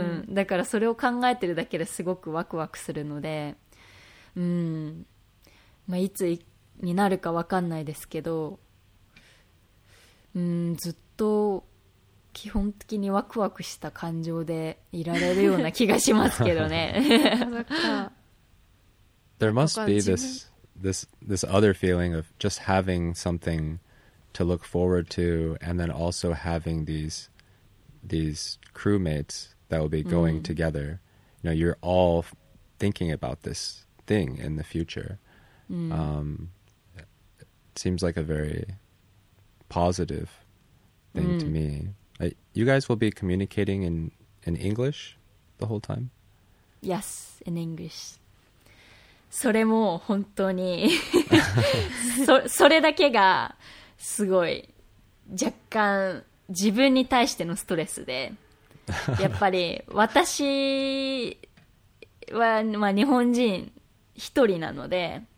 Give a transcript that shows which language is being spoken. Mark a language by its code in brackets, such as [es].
[ja] だからそれを考えてるだけですごくワクワクするので、まあ、いつになるか分かんないですけど、ずっと基本的にワクワクした感情でいられるような気がしますけどね。 [en] There must be this other feeling of just having something to look forward to, and then also having these crewmates that will be going together. You know, you're all thinking about this thing in the future. It seems like a very positive thing to me. You guys will be communicating in English the whole time? Yes, in English. [ja] それも本当にそれだけがすごい若干自分に対してのストレスでやっぱり私は、まあ、日本人一人なので、